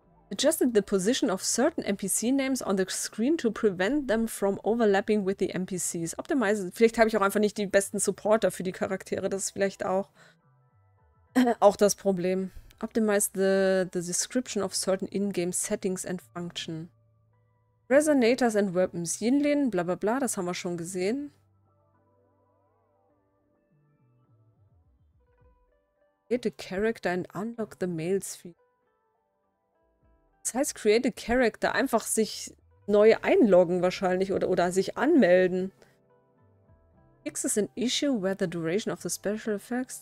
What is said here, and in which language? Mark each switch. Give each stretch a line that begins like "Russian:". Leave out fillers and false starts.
English: Adjusted the position of certain NPC names on the screen to prevent them from overlapping with the NPCs. Optimize.
German: Vielleicht habe ich auch einfach nicht die besten Supporter für die Charaktere. Das ist vielleicht auch das Problem.
English: Optimize the description of certain in-game settings and function. Resonators and Weapons.
German: Yinlin, bla bla bla, das haben wir schon gesehen.
English: Create a character and unlock the Mails feature.
German: Das heißt,
English: create a character,
German: einfach sich neu einloggen wahrscheinlich oder sich anmelden.
English: Fixes an issue where the duration of the special effects.